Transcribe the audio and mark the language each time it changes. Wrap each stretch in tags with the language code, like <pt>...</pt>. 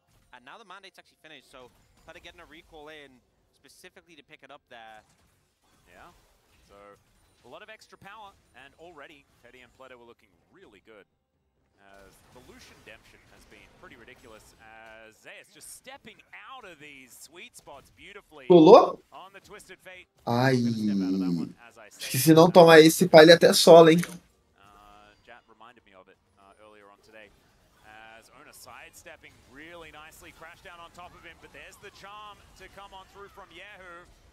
<en>And now the mandate's actually finished. So Pleta getting a recall in specifically to pick it up there. Yeah. So a lot of extra power. And already, Teddy and Pleta were looking really good. As the Lucian Demption has been pretty ridiculous, as Zeus just stepping out of these sweet spots beautifully.</en> <pt>Pulou?</pt> <en>On the Twisted Fate. Ai.</en> <pt>Acho que se não tomar esse pai, ele até sola, hein?</pt> <en>Jat reminded me of it earlier on today. As Ona sidestepping really nicely, crashed down on top of him, but there's the charm to come on through from Yahoo.</en>